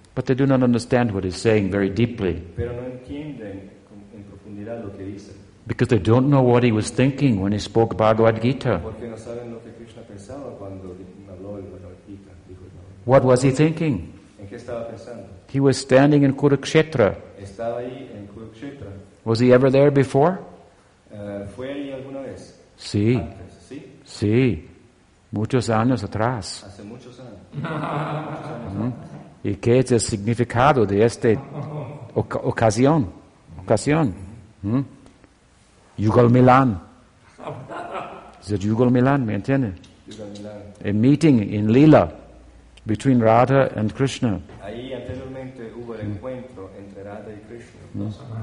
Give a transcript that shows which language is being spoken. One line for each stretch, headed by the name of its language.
English: But they do not understand what he's saying very deeply.
Spanish: Pero no entienden en profundidad lo que dice.
English: Because they don't know what he was thinking when he spoke Bhagavad Gita.
Spanish: Porque no saben lo que Krishna pensaba cuando habló el Bhagavad Gita.
English: What was he thinking?
Spanish: ¿En qué estaba pensando?
English: He was standing in Kurukshetra.
Spanish: Estaba ahí en Kurukshetra.
English: Was he ever there before?
Spanish: ¿Fue ahí alguna vez? Sí. Sí. Sí. Muchos años atrás. Hace muchos años. ¿Y qué es el significado de esta ocasión? Ocasión. Yugal Milan. Es el Yugal Milan, ¿me entiende? Yugal Milan.
English: A meeting in Lila between Radha and Krishna.
Spanish: Ahí anteriormente hubo el encuentro entre Radha y Krishna.